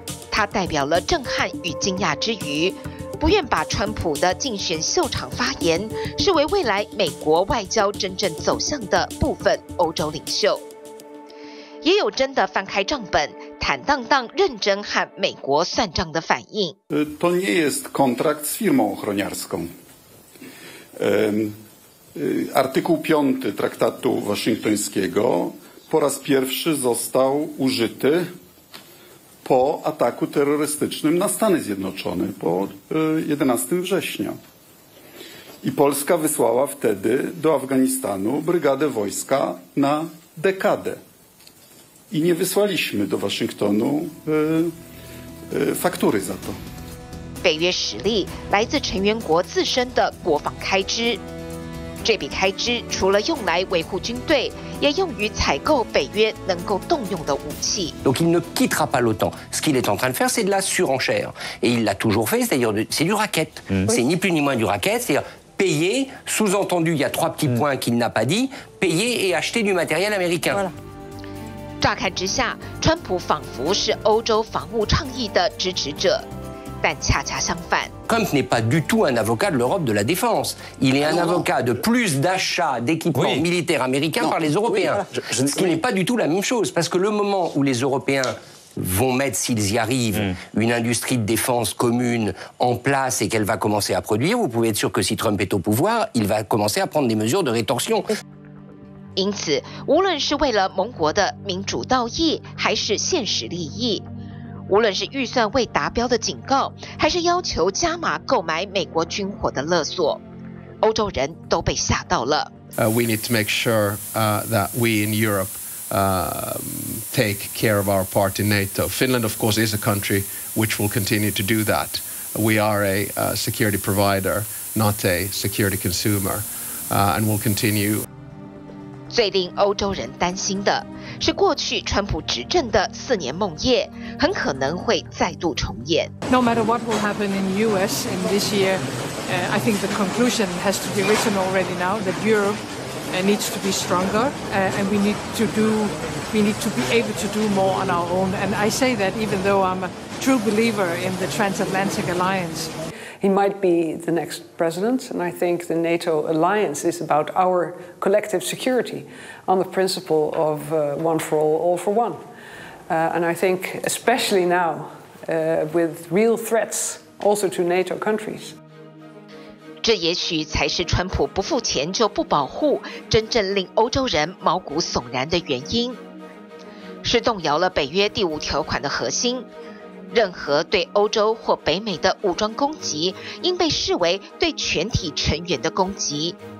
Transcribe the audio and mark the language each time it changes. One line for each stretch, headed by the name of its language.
Chinese: 他代表了震撼与惊讶之余，不愿把川普的竞选秀场发言视为未来美国外交真正走向的部分欧洲领袖。也有真的翻开账本，坦荡荡、认真和美国算账的反应。
Polish: To nie jest kontrakt z firmą ochroniarską. Artykuł 5 traktatu waszyngtońskiego po raz pierwszy został użyty po ataku terrorystycznym na Stany Zjednoczone po 11 września. I Polska wysłała wtedy do Afganistanu brygadę wojska na dekadę. I nie wysłaliśmy do Waszyngtonu faktury za to.
Chinese: 北约实力来自成员国自身的国防开支，这笔开支除了用来维护军队，也用于采购北约能够动用的武器。
French: Donc il ne quittera pas l'OTAN. Ce qu'il est en train de faire, c'est de la surenchère. Et il l'a toujours fait. C'est-à-dire, c'est du racket. C'est ni plus ni moins du racket. C'est-à-dire payer. Sous-entendu, il y a trois petits points qu'il n'a pas dit. Payer et acheter du matériel américain.
Chinese: 乍看之下，川普仿佛是欧洲防务倡议的支持者，但恰恰相反。
French: Trump n'est pas du tout un avocat de l'Europe de la défense. Il est un avocat de plus d'achats d'équipements militaires américains par les Européens. Ce qui n'est pas du tout la même chose, parce que le moment où les Européens vont mettre, s'ils y arrivent, une industrie de défense commune en place et qu'elle va commencer à produire, vous pouvez être sûr que si Trump est au pouvoir, il va commencer à prendre des mesures de rétorsion.
Chinese: 因此，无论是为了盟国的民主道义，还是现实利益，无论是预算未达标的警告，还是要求加码购买美国军火的勒索，欧洲人都被吓到了。
English: We need to make sure that we in Europe take care of our part in NATO. Finland, of course, is a country which will continue to do that. We are a security provider, not a security consumer, and will continue.
Chinese: 最令欧洲人担心的是，过去川普执政的四年梦魇很可能会再度重演。
English: No matter what will happen in the US in this year, I think the conclusion has to be written already now that Europe needs to be stronger, and we need to be able to do more on our own. And I say that even though I'm a true believer in the transatlantic alliance. He might be the next president, and I think the NATO alliance is about our collective security on the principle of one for all for one. And I think especially now, with real threats also to NATO countries.
Chinese: 这也许才是川普不付钱就不保护，真正令欧洲人毛骨悚然的原因，是动摇了北约第五条款的核心。任何对欧洲或北美的武装攻击应被视为对全体成员的攻击。